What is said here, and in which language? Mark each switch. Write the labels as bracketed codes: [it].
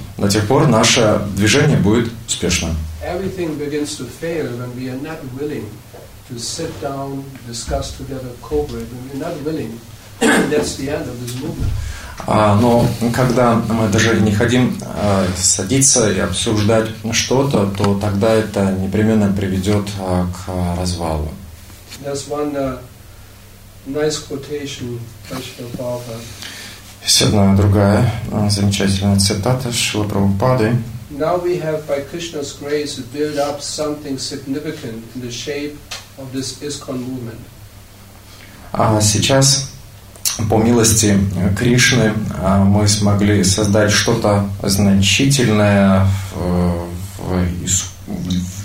[ru] До тех пор наше движение будет успешно. [en] Everything begins to fail when we are not willing to sit down, discuss together, cooperate. When we are not willing, that's the end of this movement. [ru] Но когда мы даже не хотим садиться и обсуждать что-то, то тогда это непременно приведет к развалу. [en] There's one nice quotation from Srila Prabhupada. [ru] Есть одна другая замечательная цитата Шрилы Прабхупады. [en] Now we have, by Krishna's grace, built up something significant in the shape of this ISKCON movement. [ru] Сейчас, по милости Кришны, мы смогли создать что-то значительное в